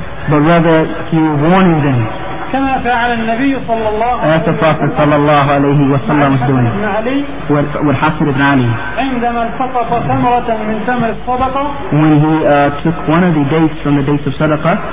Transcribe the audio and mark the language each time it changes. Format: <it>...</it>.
<en>But rather you warn them.</en> <ar>كما فعل النبي صلى الله عليه وسلم.</ar> <en>As the Prophet</en> <ar>صلى الله عليه وسلم</ar> <en>was doing.</en> <ar>والحسن بن علي. عندما التقط ثمرة من ثمر الصدقة.</ar> <en>When he took one of the dates from the dates of صدقة.</en>